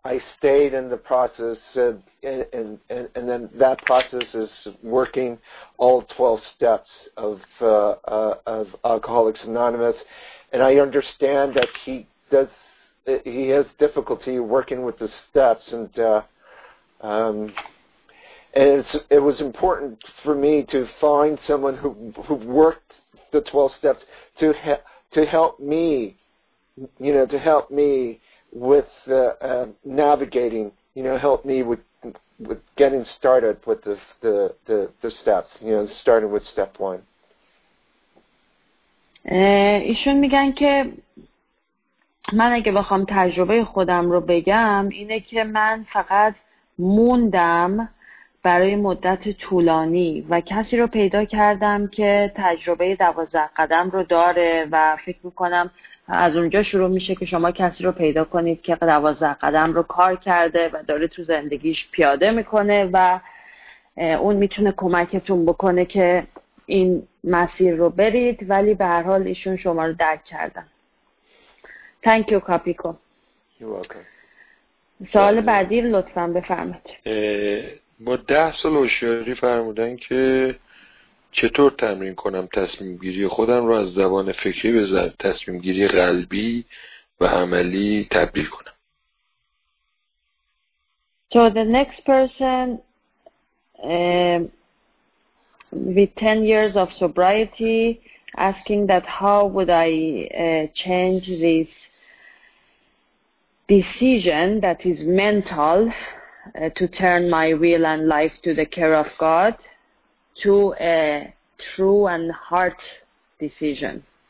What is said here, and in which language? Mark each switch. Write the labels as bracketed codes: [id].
[en] I stayed in the process, and then that process is working all 12 steps of Alcoholics Anonymous, and I understand that he has difficulty working with the steps, and it was important for me to find someone who worked the 12 steps to help me, you know, to help me with navigating, you know, help me with getting started with the steps, you know, starting with step one. [fa] ایشون میگن که من اگه بخوام تجربه خودم رو بگم اینه که من فقط موندم برای مدت طولانی و کسی رو پیدا کردم که تجربه 12 قدم رو داره و فکر میکنم از اونجا شروع میشه که شما کسی رو پیدا کنید که 12 قدم رو کار کرده و داره تو زندگیش پیاده میکنه و اون میتونه کمکتون بکنه که این مسیر رو برید. ولی به هر حال ایشون شما رو درک کردن. [en] Thank you, Kapiko. You're welcome. [fa] سوال بعدی لطفا بفرمایید. با 10 سال هوشیاری فرمودن که چطور تمرین کنم تصمیم گیری خودم رو از زبان فکری به تصمیم گیری قلبی و عملی تبدیل کنم. [en] So the next person with 10 years of sobriety asking that how would I change this decision that is mental to turn my will and life to the care of God to a true and heart decision.